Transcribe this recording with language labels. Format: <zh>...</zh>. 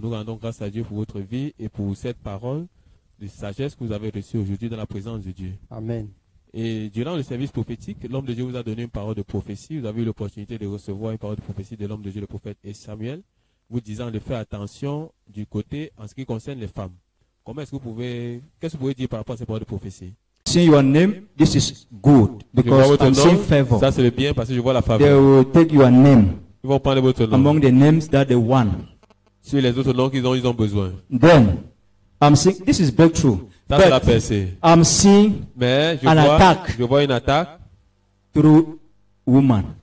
<fr>Nous rendons grâce à Dieu pour votre vie et pour cette parole de sagesse que vous avez reçue aujourd'hui dans la présence de Dieu. Amen. Et durant le service prophétique, l'homme de Dieu vous a donné une parole de prophétie. Vous avez eu l'opportunité de recevoir une parole de prophétie de l'homme de Dieu, le prophète et Samuel, vous disant de faire attention du côté en ce qui concerne les femmes. Qu'est-ce que vous pouvez dire par rapport à ces paroles de prophétie?</fr> <en>See your name, this is good because I'm seeing favor.</en> <fr>Ça c'est le bien parce que je vois la faveur.</fr> <en>They will take your name.</en> <fr>Ils vont prendre votre nom.</fr> <en>Among the names that they want.</en> <fr>Sur les autres noms qu'ils ont, ils ont besoin.</fr> <en>Then, I'm seeing this is breakthrough.</en> <fr>Ça, c'est la percée.</fr> <en>I'm seeing an attack.</en> <fr>Je vois une attaque</fr> <en>through woman.</en>